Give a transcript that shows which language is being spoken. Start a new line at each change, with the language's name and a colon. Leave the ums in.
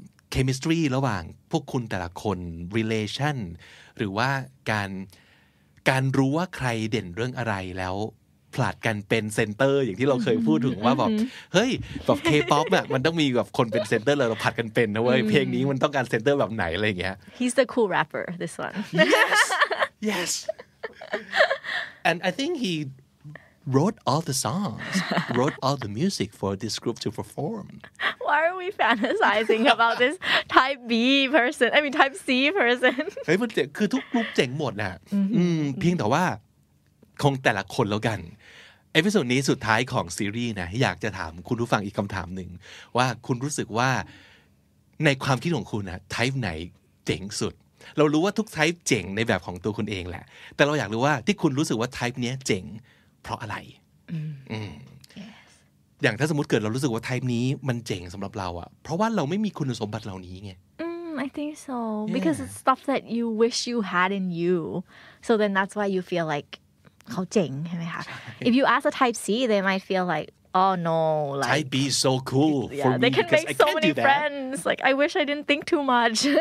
Thai: เคมิสตรีระหว่างพวกคุณแต่ละคนเร l a t i o หรือว่าการการรู้ว่าใครเด่นเรื่องอะไรแล้วผลัดกันเป็นเซนเตอร์ อย่างที่เราเคยพูดถึงว่าแบบเฮ้ยแบบเคป๊อปเนี่ยมันต้องมีแบบคนเป็นเซนเตอร์เลยเราผัดกันเป็นนะเว้ยเพลงนี้มันต้องการเซนเตอร์แบบไหนอะไรเงี้ย
English: he's the cool rapper this one yes yes and I think he wrote all the songs wrote all the music for this group to perform why are we fantasizing about this type B person I mean type C person
Thai: เฮ้ยมันเจ๋งคือทุกกลุ่มเจ๋งหมดน่ะเพียงแต่ว่าของแต่ละคนแล้วกันเอพิโซดนี้สุดท้ายของซีรีส์นะอยากจะถามคุณผู้ฟังอีกคำถามหนึ่งว่าคุณรู้สึกว่าในความคิดของคุณนะไทป์ไหนเจ๋งสุด เรารู้ว่าทุกไทป์เจ๋งในแบบของตัวคุณเองแหละ แต่เราอยากรู้ว่าที่คุณรู้สึกว่าไทป์นี้เจ๋งเพราะอะไรอย่างถ้าสมมติเกิดเรารู้สึกว่าไทป์นี้ มันเจ๋งสำหรับเราอะเพราะว่าเราไม่มีคุณสมบัติเหล่านี้ไง
English: I think so because yeah. it's stuff that you wish you had in you so then that's why you feel like
Thai: เขาเจ๋งใช่ไหมคะ
English: If you ask a Type C they might feel like oh no like Type B is so cool for yeah, me they can make so many friends like I wish I didn't think too much